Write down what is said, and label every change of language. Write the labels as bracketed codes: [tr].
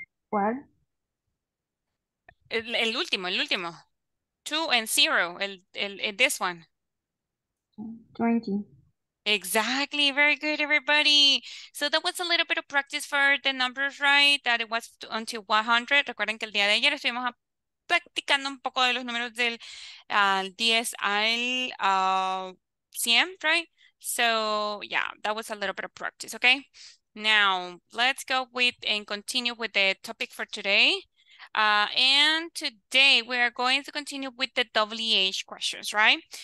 [en] What? [es] El último. [en] 2 and 0. This one. 20. Exactly, very good, everybody. So that was a little bit of practice for the numbers, right? That it was until 100. [es] Recuerden que el día de ayer estuvimos practicando un poco de los números del 10 al 100, right? [en] So yeah, that was a little bit of practice, okay? Now let's go with and continue with the topic for today. And today we are going to continue with the WH questions, right?